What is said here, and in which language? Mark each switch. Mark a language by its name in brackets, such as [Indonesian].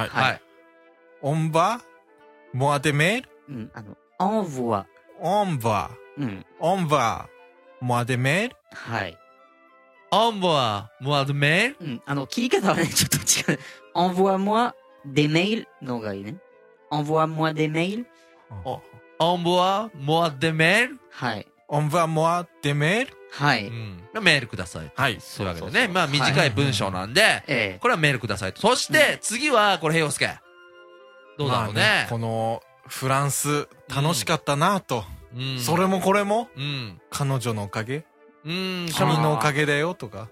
[French] はい、はい、Envoie-moi des mails。うん、Envoie。 Envoie。うん、 Envoie-moi des mails。 [Japanese] はい、 [French] Envoie-moi des mails。 [Japanese] うん、切り方はねちょっと違う。 [French] Envoie-moi des mails [Japanese] の方がいいね。 [French] Envoie-moi des mails。 Envoie-moi des mails。 [Japanese] はい、 [French] Envoie-moi des mails。 [Japanese] はい、うん、メールください。はい、そういうわけでね、そうそうそう、まあ短い文章なんで、はい、これはメールください。そして、ね、次はこれヘイオスケどうだろうね、まあ、ね、このフランス楽しかったなと、うん、それもこれも、うん、彼女のおかげ、うん、君のおかげだよとか、